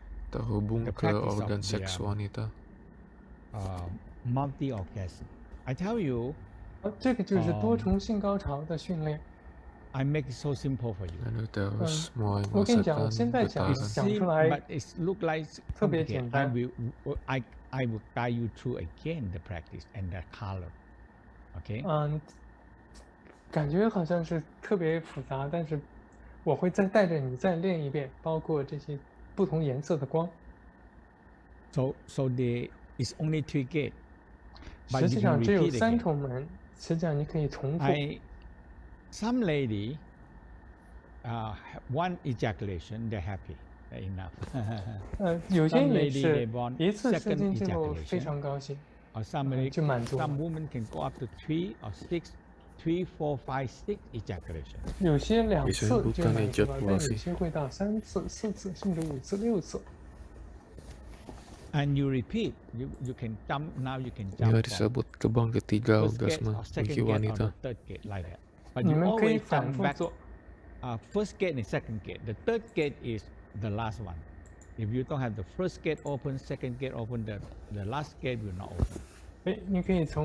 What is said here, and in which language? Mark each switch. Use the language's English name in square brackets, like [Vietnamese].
[Indonesian] terhubung ke organ seks wanita. [English] Multi orgasm. I tell you. [Chinese] 这个就是多重性高潮的训练。 [English] I make it so simple for you. 嗯， [Chinese] 我跟你讲，我现在讲出来，特别简单。 [English] I will guide you through again the practice and the color. Okay. [Chinese] 嗯，感觉好像是特别复杂，但是我会再带着你再练一遍，包括这些不同颜色的光。 [English] So the is only three gate. [Chinese] 实际上只有三重门，实际上你可以重复。I [English] some lady, one ejaculation they're happy enough. [Chinese] 有些女士一次射精之后非常高兴，就满足。 [English] Some women can go up to three or six, three, four, five, six ejaculation. [Chinese] 有些两次就满足了，但有些会到三次、四次，甚至五次、六次。 [English] And you repeat, you can jump, now you can jump. [Indonesian] Yeah, disebut kebang ketiga orgasme bagi wanita. [English] Third gate like that. But you always come back. First gate and second gate. The third gate is the last one. If you don't have the first gate open, second gate open, the last gate will not open.